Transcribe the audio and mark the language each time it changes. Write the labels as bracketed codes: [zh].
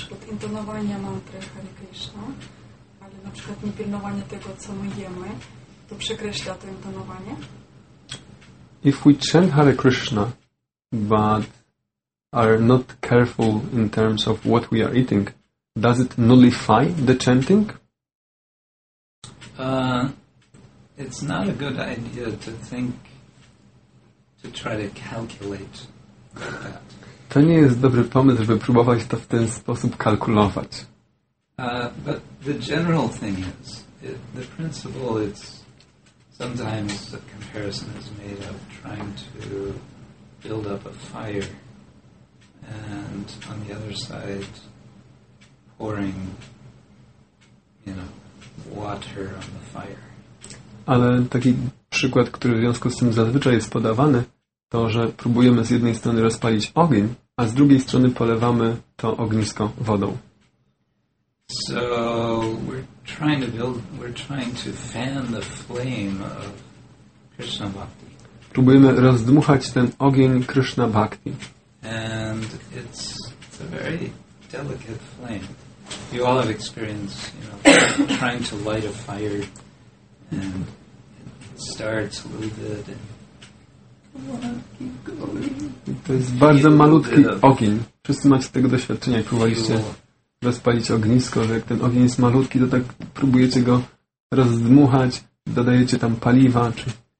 [pl] Intonowania mantry Hare Krishna, ale na przykład niepilnowanie tego, co my jemy, to przekreśla to intonowanie. [en] If we chant Hare Krishna, but are not careful in terms of what we are eating, does it nullify the chanting? It's not a good idea to think, to try to calculate that. [pl] To nie jest dobry pomysł, żeby próbować to w ten sposób kalkulować. [en] But the general thing is, the principle is sometimes a comparison is made of trying to build up a fire and on the other side pouring, you know, water on the fire. [pl] Ale taki przykład, który w związku z tym zazwyczaj jest podawany, to, że próbujemy z jednej strony rozpalić ogień, a z drugiej strony polewamy to ognisko wodą. [en] So we're trying to build, we're trying to fan the flame of Krishna Bhakti. [pl] Próbujemy rozdmuchać ten ogień Krishna Bhakti. [en] And it's a very delicate flame. You all have experience, you know, trying to light a fire and it starts a little bit and [pl] to jest bardzo malutki ogień. Wszyscy macie tego doświadczenia. Próbowaliście rozpalić ognisko, że jak ten ogień jest malutki, to tak próbujecie go rozdmuchać, dodajecie tam paliwa, czy...